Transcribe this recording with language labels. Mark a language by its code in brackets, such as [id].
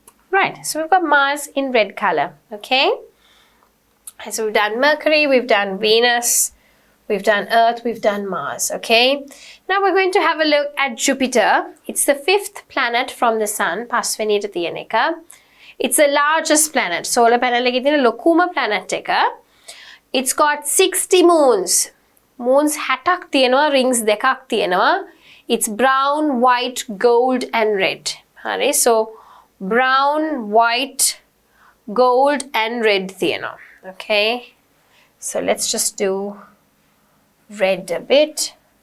[en] Right, so we've got Mars in red color, okay? So we've done Mercury, we've done Venus, we've done Earth, we've done Mars, okay? Now we're going to have a look at Jupiter. It's the fifth planet from the sun, [si] පස්වෙනියට තියෙන එක. [en] It's the largest planet, solar panel [si] එකේ තියෙන ලොකුම planet එක. [en] It's got 60 moons. [si] Moons 60ක් තියෙනවා, rings 2ක් තියෙනවා. [en] It's brown, white, gold and red. හරි, so brown, white, gold, and red theano. Okay, so let's just do red a bit.